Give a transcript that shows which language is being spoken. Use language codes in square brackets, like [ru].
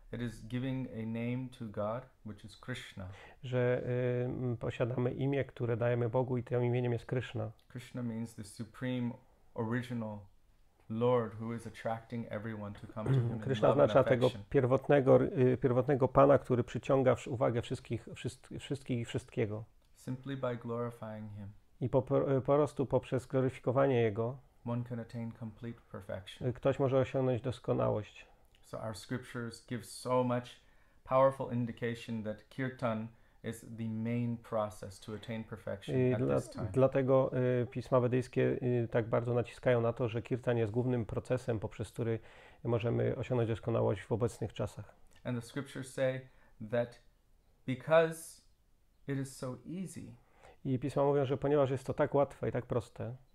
[en] It is giving a name to God, which is Krishna. [pl] Że posiadamy imię, które dajemy Bogu i tym imieniem jest Krishna. [en] Krishna means the supreme original Lord who is attracting everyone to come to him. [pl] Krishna oznacza tego pierwotnego Pana, który przyciąga uwagę wszystkich i wszystkiego. [en] Simply by glorifying him. [pl] I po prostu poprzez gloryfikowanie jego, [en] one can attain complete perfection. [pl] Ktoś może osiągnąć doskonałość. [en] So our scriptures give so much powerful indication that kirtan is the main process to attain perfection at this time. [pl] Dlatego pisma wedyjskie tak bardzo naciskają na to, że kirtan jest głównym procesem, poprzez który możemy osiągnąć doskonałość w obecnych czasach. [en] And the scriptures say that because it is so easy. [pl] I pisma mówią, że ponieważ jest to tak łatwe i tak proste.